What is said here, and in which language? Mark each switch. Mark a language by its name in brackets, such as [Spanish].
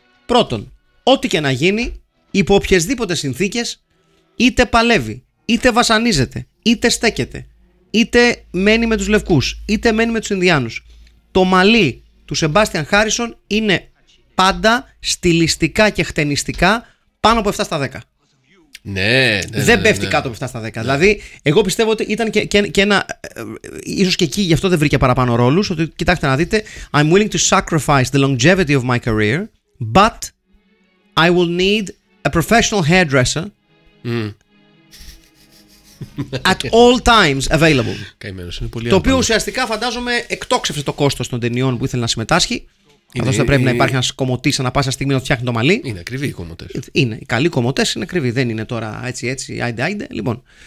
[Greek] Πρώτον, ό,τι και να γίνει, υπό οποιασδήποτε συνθήκες, είτε παλεύει, είτε βασανίζεται, είτε στέκεται, είτε μένει με τους λευκούς, είτε μένει με τους Ινδιάνους, το μαλλί του Σεμπάστιαν Χάρισον είναι πάντα στιλιστικά και χτενιστικά πάνω από 7 στα 10. Ναι, δεν πέφτει κάτω από 7 στα 10. Ναι. Δηλαδή, εγώ πιστεύω ότι ήταν και ένα. Ίσως και εκεί γι' αυτό δεν βρήκε παραπάνω ρόλους. Ότι κοιτάξτε να δείτε. [English] I'm willing to sacrifice the longevity of my career, but I will need a professional hairdresser at all times available. [Greek] Καημένος, είναι πολύ το οποίο ουσιαστικά φαντάζομαι εκτόξευσε το κόστος των ταινιών που ήθελε να συμμετάσχει. Καθώς δεν πρέπει να υπάρχει ένας κομμωτής ανά πάσα στιγμή να φτιάχνει το μαλλί. Είναι ακριβή οι κομμωτές. Είναι. Οι καλοί κομμωτές είναι ακριβοί. Δεν είναι τώρα έτσι έτσι. Άιντε, άιντε. Λοιπόν.